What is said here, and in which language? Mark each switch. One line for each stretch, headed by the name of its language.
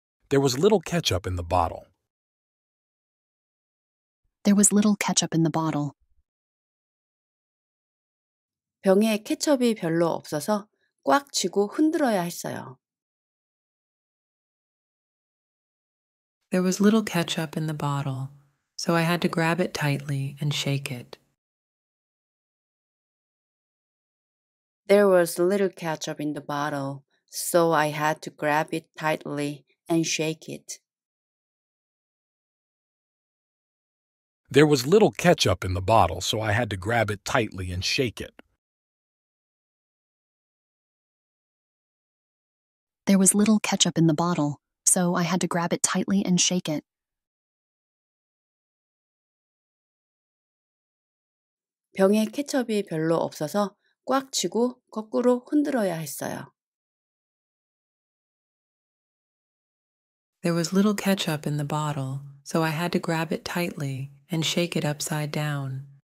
English: There was little ketchup in the bottle. There was little ketchup in the bottle.
Korean: 병에 케첩이 별로 없어서 꽉 쥐고 흔들어야 했어요.
English: There was little ketchup in the bottle, so I had to grab it tightly and shake it. There was little ketchup in the bottle, so I had to grab it tightly and shake it. There was little ketchup in the bottle, so I had to grab it tightly and shake it. There was little ketchup in the bottle. So I had to grab it tightly and shake it.
Korean: 병에 케첩이 별로 없어서 꽉 쥐고 거꾸로 흔들어야 했어요.
English: There was little ketchup in the bottle, so I had to grab it tightly and shake it upside down.